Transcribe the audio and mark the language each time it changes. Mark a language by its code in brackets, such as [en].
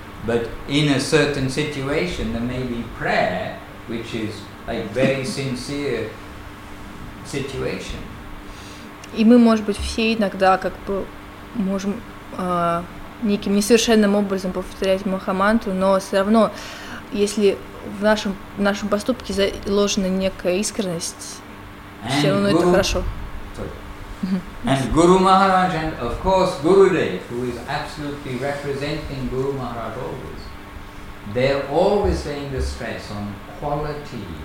[en] But in a certain situation, there may be prayer, which is a very sincere situation. [ru] И мы, может быть, все иногда как бы можем неким несовершенным образом повторять Махамантру, но все равно, если в нашем поступке заложена некая искренность, все равно это хорошо. [en] And Guru Maharaj, and of course Gurudev, who is absolutely representing Guru Maharaj always, they're always laying the stress on quality.